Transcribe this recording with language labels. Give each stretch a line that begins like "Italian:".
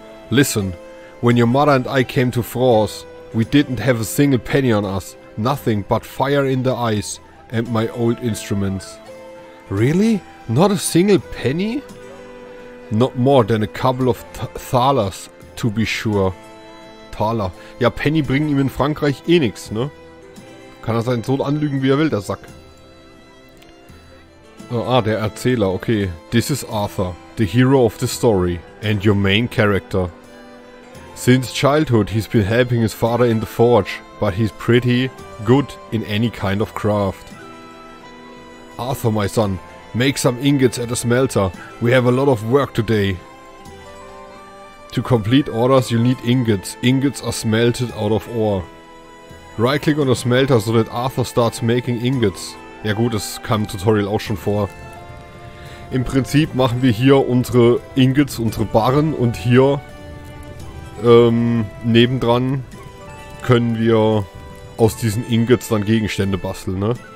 English: Listen, when your mother and I came to Frost, we didn't have a single penny on us. Nothing but fire in the eyes and my old instruments. Really? Not a single penny? Not more than a couple of thalers, to be sure.
German: Ja, Penny bringen ihm in Frankreich eh nichts, ne? Kann er seinen Sohn anlügen, wie er will, der Sack. Der Erzähler, okay.
English: This is Arthur, the hero of the story, and your main character. Since childhood, he's been helping his father in the forge, but he's pretty good in any kind of craft. Arthur, my son, make some ingots at the smelter. We have a lot of work today. To complete orders, you need ingots. Ingots are smelted out of ore. Right-click on the smelter so that Arthur starts making ingots.
German: Ja gut, das kam im Tutorial auch schon vor. Im Prinzip machen wir hier unsere Ingots, unsere Barren. Und hier nebendran können wir aus diesen Ingots dann Gegenstände basteln, ne?